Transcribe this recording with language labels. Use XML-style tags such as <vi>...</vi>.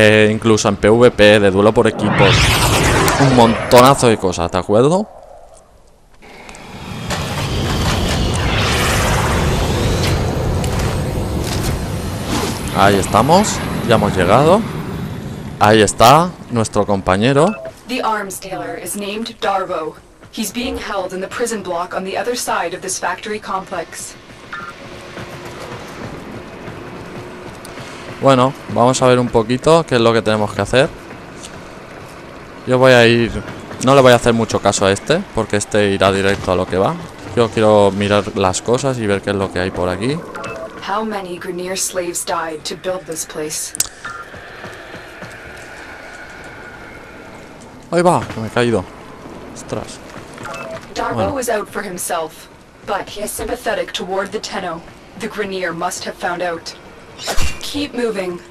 <es>Incluso en PvP, de duelo por equipos. Un montonazo de cosas, ¿de acuerdo? Ahí estamos. Ya hemos llegado. Ahí está nuestro compañero.</es> <en>The arms dealer is named Darvo. He's being held in the prison block on the other side of this factory complex.</en> <es>Bueno, vamos a ver un poquito qué es lo que tenemos que hacer. Yo voy a ir, no le voy a hacer mucho caso a este, porque este irá directo a lo que va. Yo quiero mirar las cosas y ver qué es lo que hay por aquí.</es> <en>How many Grineer slaves died to build this place?</en> <es>Ahí va, que me he caído. Ostras.</es> <en>Darvo is out for himself, but he is sympathetic toward the Tenno. The Grineer must have found out. Keep moving.</en>